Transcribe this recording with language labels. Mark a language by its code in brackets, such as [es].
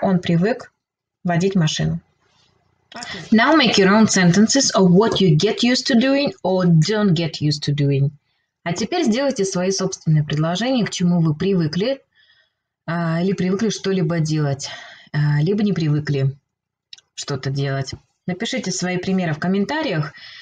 [ru] Он привык водить машину. [en] Okay. Now make your own sentences of what you get used to doing or don't get used to doing. [ru] А теперь сделайте свои собственные предложения, к чему вы привыкли или привыкли что-либо делать. Либо не привыкли что-то делать. Напишите свои примеры в комментариях.